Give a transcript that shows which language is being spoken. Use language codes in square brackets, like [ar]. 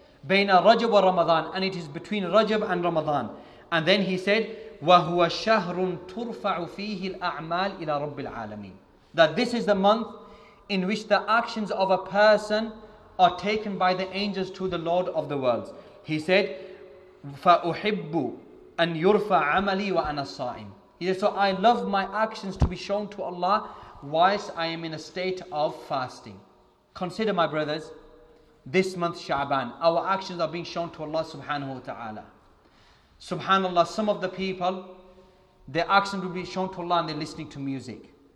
[ar] بَيْنَ رَجَبْ وَرَمَضَانِ, [en] and it is between Rajab and Ramadan. And then he said, [ar] وَهُوَ شَهْرٌ تُرْفَعُ فِيهِ الْأَعْمَالِ إِلَىٰ رَبِّ الْعَالَمِينَ, [en] that this is the month in which the actions of a person are taken by the angels to the Lord of the worlds. He said, [ar] فَأُحِبُّ أَنْ يُرْفَعَ عَمَلِي وَأَنَا الصَّائِمِ. [en] He said, so I love my actions to be shown to Allah whilst I am in a state of fasting. Consider, my brothers, this month Sha'ban, our actions are being shown to Allah subhanahu wa ta'ala. Subhanallah, some of the people, their actions will be shown to Allah and they're listening to music.